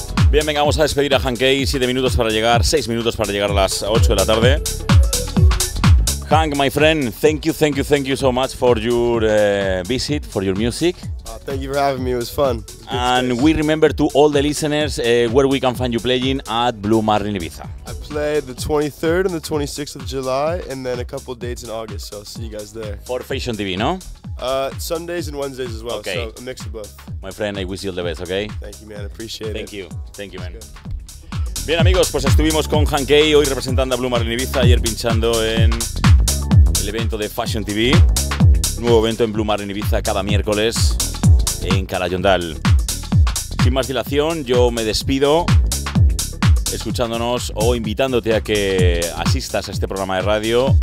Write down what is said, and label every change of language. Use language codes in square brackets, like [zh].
[es] Bien, venga, vamos a despedir a Hankey. 7 minutos para llegar, 6 minutos para llegar a las 8 de la tarde. [en] Hank, my friend, thank you so much for your visit, for your music. Thank you for having me, it was fun. And we remember to all the listeners where we can find you playing at Blue Marlin Ibiza. I play the 23rd and the 26th of July, and then a couple dates in August, so I'll see you guys there. For Fashion TV, no? Sundays and Wednesdays as well, okay. So a mix of both. My friend, I wish you all the best, okay? Thank you, man, appreciate it. Thank you, man. [es] Bien, amigos, pues estuvimos con Hankey, hoy representando a Blue Marlin Ibiza, ayer pinchando en el evento de Fashion TV. Nuevo evento en Blue Marlin Ibiza cada miércoles en Calayondal. Sin más dilación, yo me despido escuchándonos o invitándote a que asistas a este programa de radio.